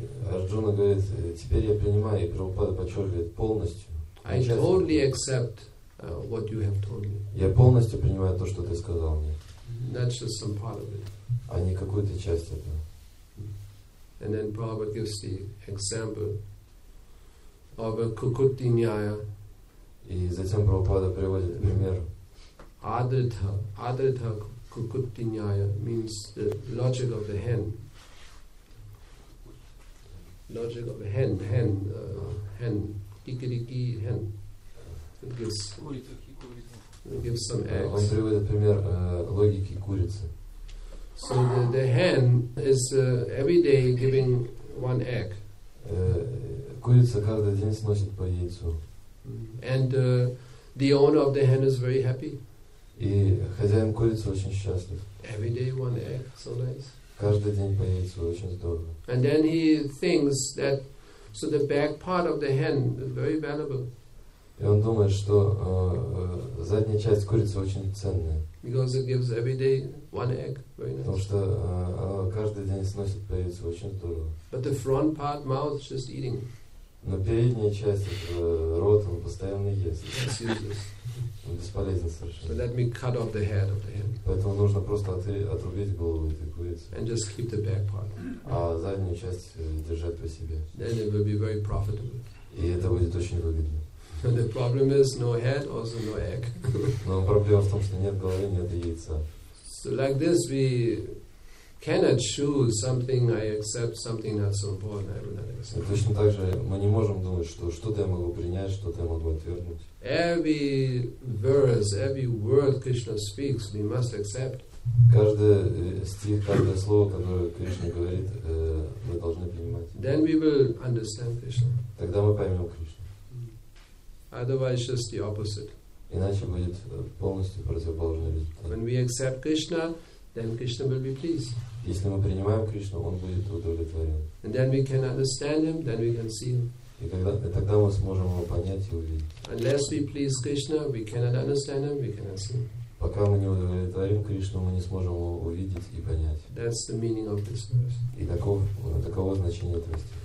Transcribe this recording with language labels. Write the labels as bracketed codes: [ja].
[ru] Арджуна говорит, теперь я принимаю, и Прабхупада подчеркивает, полностью. [en] I totally accept what you have told me. [ru] Я полностью принимаю то, что ты сказал мне. [en] Not just some part of it. [ru] А не какую-то часть этого. [en] And then Prabhupada gives the example of a kukuti nyaya. [ru] И затем Прабхупада приводит пример. [en] Адрита кукуттиньяя means the logic of the hen. Logic of a hen, hen, kikiriki hen. It gives some eggs. [ru] Он приводит пример логики курицы. [en] So the hen is every day giving one egg. [ru] Курица каждый день сносит по яйцу. [en] And the owner of the hen is very happy. [ru] И хозяин курицы очень счастлив. [en] Every day one egg, so nice. [ru] Каждый день по яйцу, очень здорово. [en] And then he thinks that so the back part of the hen is very valuable. [ru] И он думает, что задняя часть курицы очень ценная. [en] Because it gives every day one egg, very nice. [ru] Потому что каждый день сносит по яйцу, очень здорово. [en] But the front part, mouth, is just eating. [ru] Но передняя часть, это рот, он постоянно ест. [en] That's useless. [ru] Он бесполезен совершенно. [en] So let me cut off the head of the hen. [ru] Поэтому нужно просто отрубить голову этой курицы. [en] And just keep the back part. [ru] А заднюю часть держать при себе. [en] Then it will be very profitable. [ru] И это будет очень выгодно. [en] And the problem is no head, also no egg. [ru] Но проблема в том, что нет головы, нет яйца. [en] So like this we cannot choose something I accept, something not so important I will not accept. [ru] Точно так же мы не можем думать, что что-то я могу принять, что-то я могу отвергнуть. [en] Every verse, every word Krishna speaks, we must accept. [ru] Каждый стих, каждое слово, которое Кришна говорит, мы должны принимать. [en] Then we will understand Krishna. [ru] Тогда мы поймем Кришну. [en] Otherwise, just the opposite. [ru] иначе будет полностью противоположный результат. [en] When we accept Krishna, then Krishna will be pleased. [ru] Если мы принимаем Кришну, он будет удовлетворен. [en] And then we can understand him, then we can see him. [ru] И тогда мы сможем его понять и увидеть. [en] Unless we please Krishna, we cannot understand him, we cannot see him. [ru] Пока мы не удовлетворим Кришну, мы не сможем его увидеть и понять. [en] That's the meaning of this verse. [ru] И таково значение этого стиха.